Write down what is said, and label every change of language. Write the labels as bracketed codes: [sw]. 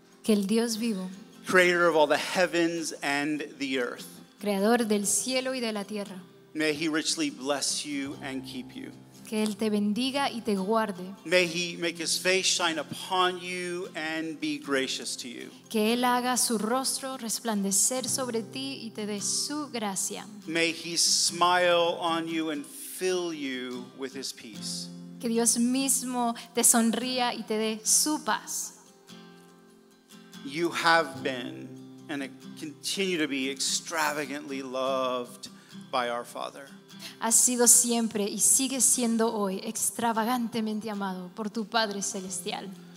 [es] que el Dios vivo, [en] creator of all the heavens and the earth, [es] creador del cielo y de la tierra, [en] may he richly bless you and keep you. [es] Que él te bendiga y te guarde. [en] May he make his face shine upon you and be gracious to you. [es] Que él haga su rostro resplandecer sobre ti y te dé su gracia. [en] May he smile on you and fill you with his peace. [es] Que Dios mismo te sonría y te dé su paz. [en] You have been and continue to be extravagantly loved by our Father. [es] Has sido siempre y sigue siendo hoy extravagantemente amado por tu Padre Celestial.